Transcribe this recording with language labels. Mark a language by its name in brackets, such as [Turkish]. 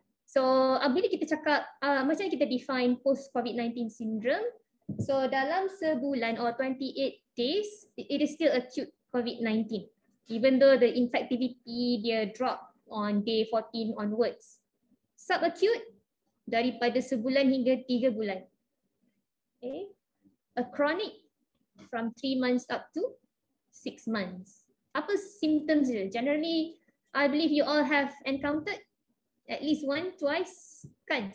[English] So [Malay] bila kita cakap macam kita [English] define post COVID-19 syndrome, so [Malay] dalam sebulan [English] or 28 days, it is still acute COVID-19. Even though the infectivity dia drop on day 14 onwards. [Malay] Subacute, daripada sebulan hingga 3 bulan. [English] Okay. A chronic, from 3 months up to 6 months. [Malay] Apa symptoms dia? [English] Generally, I believe you all have encountered at least one, twice, kan?